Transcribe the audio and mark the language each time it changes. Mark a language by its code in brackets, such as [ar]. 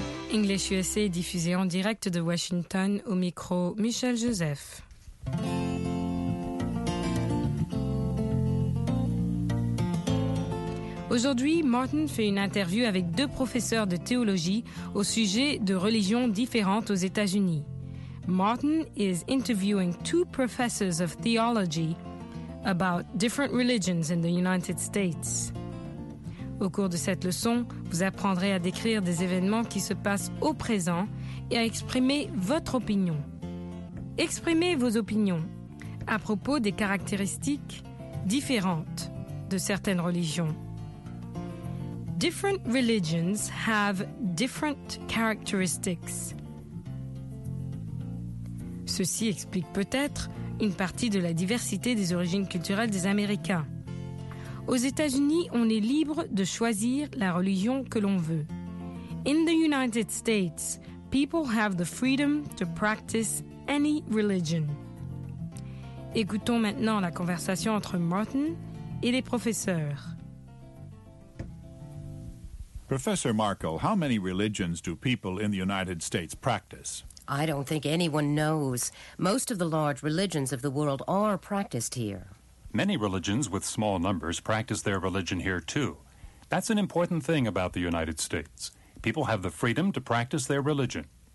[fr] English USA est diffusé en direct de Washington au micro Michel Joseph. Aujourd'hui, Martin fait une interview avec deux professeurs de théologie au sujet de religions différentes aux États-Unis. [en] Martin is interviewing two professors of theology about different religions in the United States. [fr] Au cours de cette leçon, vous apprendrez à décrire des événements qui se passent au présent et à exprimer votre opinion. Exprimez vos opinions à propos des caractéristiques différentes de certaines religions. [en] Different religions have different characteristics. [fr] Ceci explique peut-être une partie de la diversité des origines culturelles des Américains. Aux États-Unis, on est libre de choisir la religion que l'on veut. [en] In the United States, people have the freedom to practice any religion. [fr] Écoutons maintenant la conversation entre Martin et les professeurs. [en] Professor Marco, how many religions do people in the United States practice? I don't think anyone knows. Most of the large religions of the world are practiced here. Many religions with small numbers practice their religion here, too. That's an important thing about the United States. People have the freedom to practice their religion.